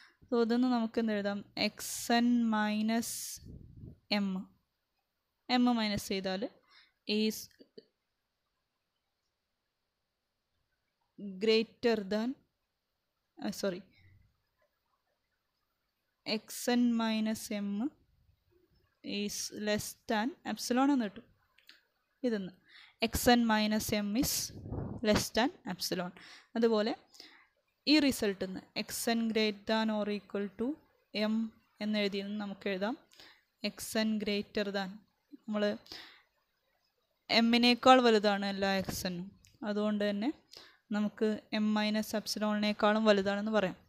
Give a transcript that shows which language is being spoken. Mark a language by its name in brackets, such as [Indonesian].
[English] so [Malayalam] ഇതൊന്ന് നമുക്ക് എന്തെഴുതാം, [English] X N minus M, M minus ചെയ്താൽ is greater than sorry X N minus M is less than epsilon [Malayalam] എന്ന് കിട്ടും. ഇതെന്ന് [English] X N minus M is less than epsilon. [Malayalam] അതുപോലെ ഈ result നിന്ന് X N greater than or equal to M എന്നെഴുതിയിൽ നിന്ന് നമുക്ക് എഴുതാം എക്സ് എൻ ഗ്രേറ്റർ ദാൻ, നമ്മൾ എമ്മിനേക്കാൾ വലുതാണ് എല്ലാ എക്സ് എനും, അതുകൊണ്ട് തന്നെ നമുക്ക് എം മൈനസ് എപ്സിലോണിനേക്കാളും വലുതാണെന്ന് പറയാം.